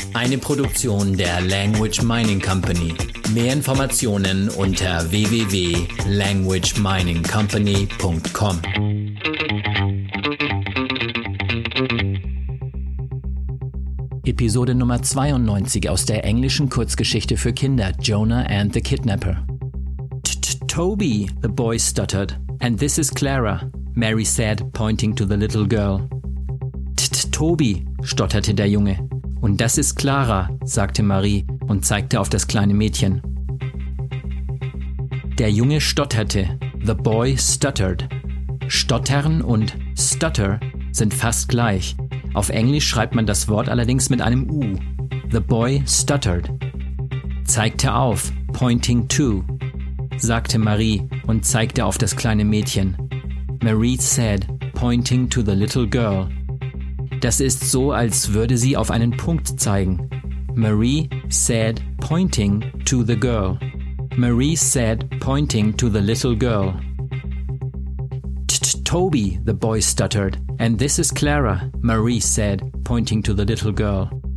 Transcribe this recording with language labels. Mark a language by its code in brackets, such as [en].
[de] Eine Produktion der Language Mining Company. Mehr Informationen unter www.languageminingcompany.com. Episode Nummer 92 aus der englischen Kurzgeschichte für Kinder, Jonah and the Kidnapper. [en] Toby, the boy stuttered. And this is Clara, Mary said, pointing to the little girl. [de] Toby, stotterte der Junge. Und das ist Clara, sagte Marie und zeigte auf das kleine Mädchen. Der Junge stotterte. [en] The boy stuttered. [de] Stottern und stutter sind fast gleich. Auf Englisch schreibt man das Wort allerdings mit einem U. [en] The boy stuttered. [de] Zeigte auf, [en] pointing to, [de] sagte Marie und zeigte auf das kleine Mädchen. [en] Marie said, pointing to the little girl. [de] Das ist so, als würde sie auf einen Punkt zeigen. [en] Marie said, pointing to the girl. Marie said, pointing to the little girl. Toby, the boy stuttered. And this is Clara, Marie said, pointing to the little girl.